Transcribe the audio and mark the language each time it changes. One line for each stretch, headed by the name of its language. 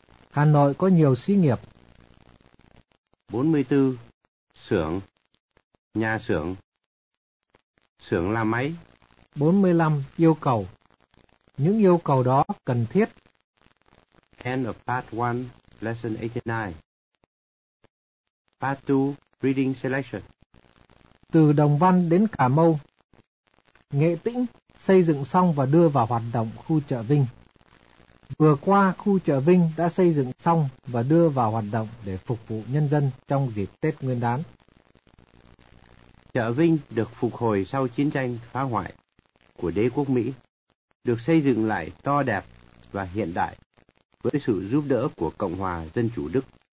Vietnamese: Hà Nội có nhiều xí nghiệp. 44. Xưởng. Nhà xưởng. Xưởng làm máy. 45. Yêu cầu. Những yêu cầu đó cần thiết.
English: End of part 1, lesson 89. Part 2, reading selection.
Vietnamese: Từ Đồng Văn đến Cà Mau. Nghệ Tĩnh xây dựng xong và đưa vào hoạt động khu chợ Vinh. Vừa qua, khu chợ Vinh đã xây dựng xong và đưa vào hoạt động để phục vụ nhân dân trong dịp Tết Nguyên Đán. Chợ Vinh được phục hồi sau chiến tranh phá hoại của đế quốc Mỹ, được xây dựng lại to đẹp và hiện đại với sự giúp đỡ của Cộng hòa Dân chủ Đức.